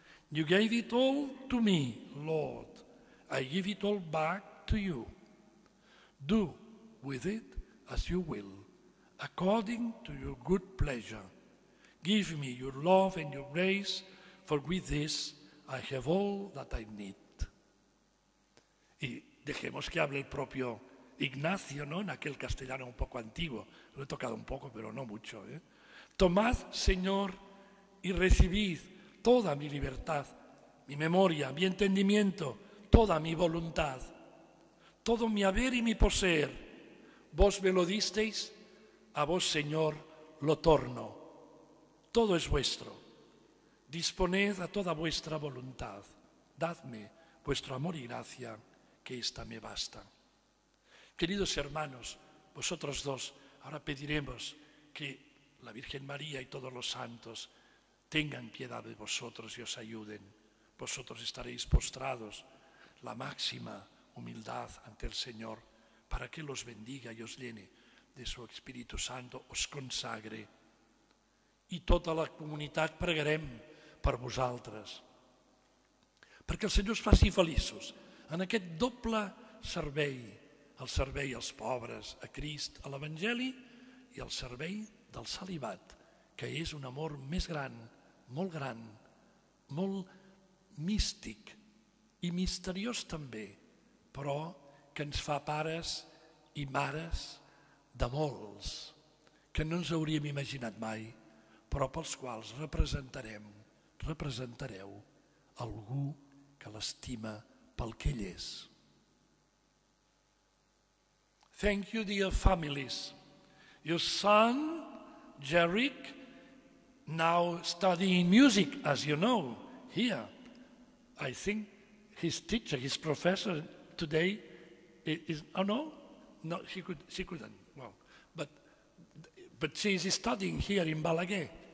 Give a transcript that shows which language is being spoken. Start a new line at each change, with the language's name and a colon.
English: You gave it all to me, Lord. I give it all back to you. Do with it as you will, according to your good pleasure. Give me your love and your grace, for with this I have all that I need.
Spanish: Y dejemos que hable el propio Ignacio, ¿no? En aquel castellano un poco antiguo. Lo he tocado un poco, pero no mucho, ¿eh? Tomad, Señor, y recibid toda mi libertad, mi memoria, mi entendimiento, toda mi voluntad, todo mi haber y mi poseer. Vos me lo disteis, a vos, Señor, lo torno. Todo es vuestro. Disponed a toda vuestra voluntad. Dadme vuestro amor y gracia, que ésta me basta. Queridos hermanos, vosotros dos, ahora pediremos que la Virgen María y todos los santos tengan piedad de vosotros y os ayuden. Vosotros estaréis postrados, la máxima humildad ante el Señor, para que los bendiga y os llene de su Espíritu Santo, os consagre.
Catalan: I tota la comunitat pregarem per vosaltres, perquè el Senyor us faci feliços en aquest doble servei, el servei als pobres, a Crist, a l'Evangeli, i el servei del celibat, que és un amor més gran, molt místic i misteriós també, però que ens fa pares i mares de molts, que no ens hauríem imaginat mai, però pels quals representareu algú que l'estima pel que ell és.
English: Thank you, dear families. Your son, Jerick, now studying music, as you know, here. I think his teacher, his professor today is, oh no, no, she couldn't, well, but she is studying here in Balaguer.